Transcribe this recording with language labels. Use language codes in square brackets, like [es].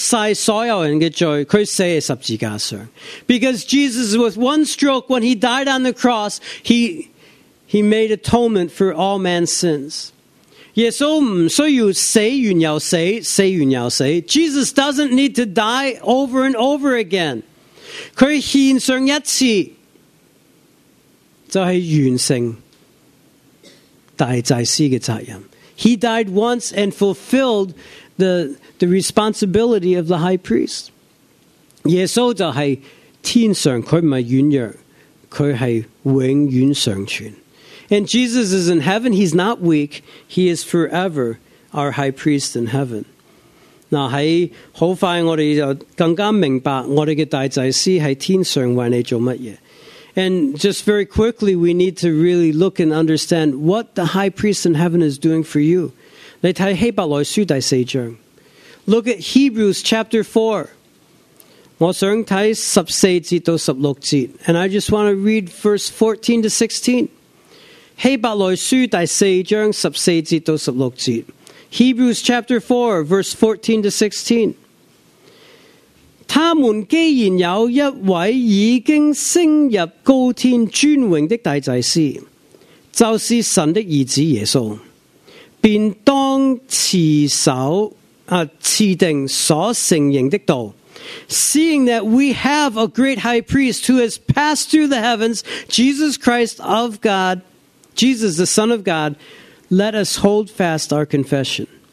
[zh] 因为耶稣一次过赎晒所有人的罪,他死在十字架上。 [en] Because Jesus, with one stroke, when he died on the cross, he made atonement for all man's sins. [zh] 耶稣不需要死完又死,死完又死。 [en] Jesus doesn't need to die over and over again. [zh] 他献上一次,就是完成大祭司的责任。 [en] He died once and fulfilled the responsibility of the high priest. [zh] 耶稣就是天上,他不是软弱,他是永远上传。 [en] And Jesus is in heaven. He's not weak. He is forever our high priest in heaven. [zh] Now, 很快我们就更加明白我们的大祭司在天上为你做什么。 [en] And just very quickly, we need to really look and understand what the high priest in heaven is doing for you. [zh] 你看希伯来书第四章。 [en] Look at Hebrews chapter 4. [zh] 我想看14节到16节。 [en] And I just want to read verse 14 to 16. [zh] 希伯来书第四章14节到16节, [en] Hebrews chapter 4, verse 14 to 16. [zh] 他们既然有一位已经升入高天尊荣的大祭司, 就是神的儿子耶稣, 便当持守,持定所承认的道。 [en] Seeing that we have a great high priest who has passed through the heavens, Jesus Christ of God, Jesus, the Son of God, let us hold fast our confession.